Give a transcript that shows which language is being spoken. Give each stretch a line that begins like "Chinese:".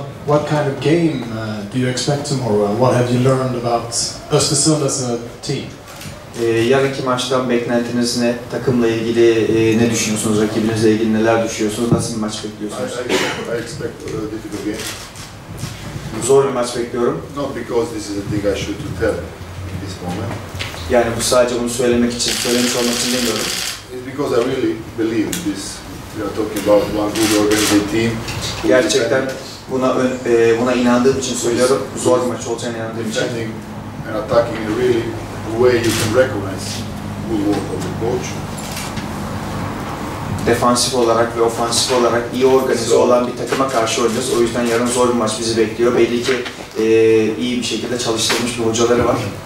English: What kind of game do you expect tomorrow? What have you learned about Östersund as a team?
Turkish: Yarınki maçtan beklentiniz ne? Takımla ilgili ne düşünüyorsunuz? Rakibinizle ilgili neler düşünüyorsunuz? Nasıl bir maç bekliyorsunuz?
English: I expect a difficult game.
Turkish: Zor bir maç bekliyorum.
English: Not because this is a thing I should tell in this moment.
Turkish: Yani bu sadece bunu söylemek için, söylemiş olmak için demiyorum.
English: It's because I really believe in this. We are talking about one good organized team.
Turkish: Gerçekten buna inandığım için söylüyorum. Zor bir maç olacağını inandığım için.
English: Defending and attacking in a really way you can recognize good work of the coach.
Turkish: Defansif olarak ve ofansif olarak iyi organize olan bir takıma karşı oynuyoruz. O yüzden yarın zor bir maç bizi bekliyor. Belli ki iyi bir şekilde çalıştırmış bir hocaları var.